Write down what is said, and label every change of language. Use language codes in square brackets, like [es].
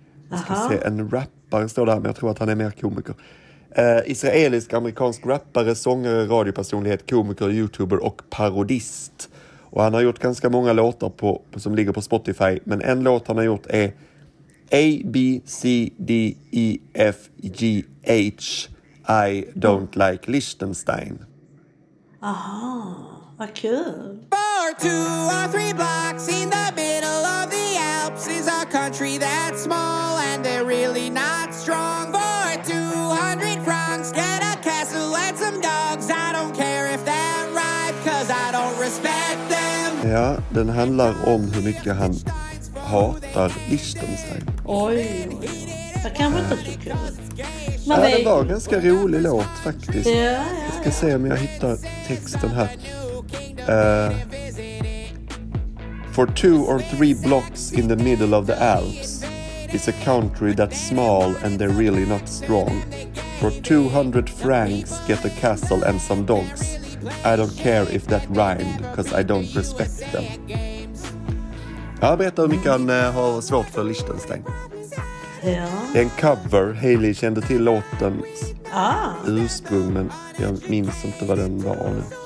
[sv] Jag ska se, en rappare står där, men jag tror att han är mer komiker. Israelisk, amerikansk rappare, sångare, radiopersonlighet, komiker, youtuber och parodist. Och han har gjort ganska många låtar som ligger på Spotify. Men en låt han har gjort är [en] A, B, C, D, E, F, G, H, I don't like Liechtenstein. [sv] Aha, vad kul. [en] 4, 2, or 3 blocks in the middle of the Alps is a country that's small and they're really not strong. 4, 200 francs, get a castle and some dogs. I don't care if that right, cause I don't respect them. [sv] Ja, den handlar om hur mycket han hatar Liechtenstein. Oj, det kan inte så kul. Ja, det var en ganska rolig låt faktiskt. Ja. Jag ska se om jag hittar texten här. [en] For 2 or 3 blocks in the middle of the Alps is a country that's small and they're really not strong. For 200 francs get a castle and some dogs. I don't care if that rhymed because I don't respect them. [sv] Ja, berätta hur mycket han har svårt för Liechtenstein. Ja. Det är en cover. Hailey kände till låten ursprung, men jag minns inte vad den var nu.